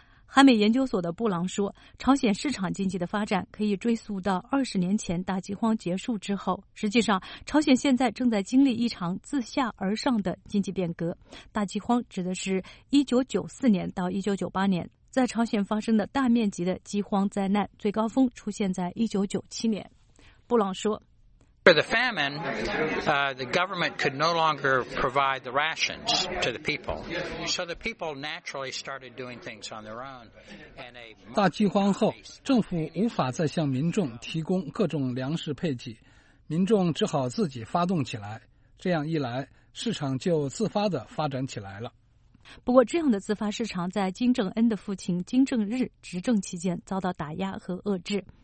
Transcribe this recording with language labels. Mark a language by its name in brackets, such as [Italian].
[Chinese] 韩美研究所的布朗说，朝鲜市场经济的发展可以追溯到20年前大饥荒结束之后。实际上，朝鲜现在正在经历一场自下而上的经济变革。大饥荒指的是1994年到1998年在朝鲜发生的大面积的饥荒灾难，最高峰出现在1997年。布朗说。 [English] For the famine, the government could no longer provide the rations to the people. So the people naturally started doing things on their own. [Chinese] 大饥荒后，政府无法再向民众提供各种粮食配给，民众只好自己发动起来。这样一来，市场就自发地发展起来了。不过，这样的自发市场在金正恩的父亲金正日执政期间遭到打压和遏制。